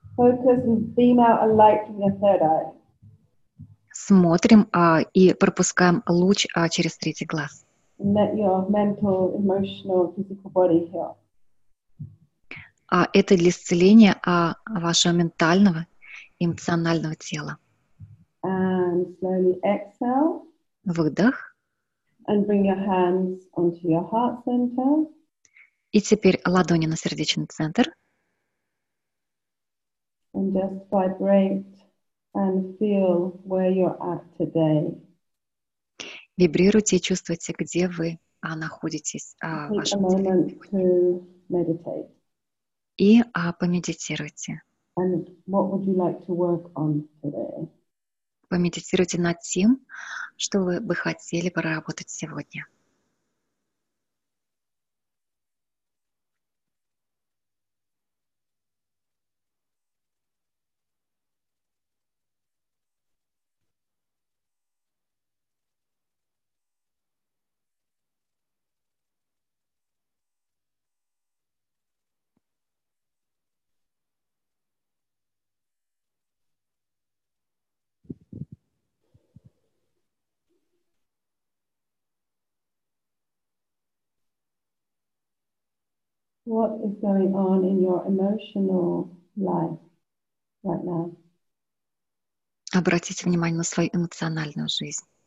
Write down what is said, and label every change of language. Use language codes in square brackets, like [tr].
[en] Focus and beam out a light from your third eye. [ru] Смотрим и пропускаем луч через третий глаз. [en] Let your mental, emotional, physical body heal. [ru] Это для исцеления вашего ментального и эмоционального тела. [en] And slowly exhale. [ru] Выдох. [en] And bring your hands onto your heart center. [ru] И теперь ладони на сердечный центр. [en] And just vibrate and feel where you're at today. [ru] Вибрируйте и чувствуйте, где вы находитесь в вашем теле. И помедитируйте. [en] And what would you like to work on today? [ru] Помедитируйте над тем, что вы бы хотели проработать сегодня. [en] What is going on in your emotional life right now? [ru] Обратите внимание на свою эмоциональную жизнь.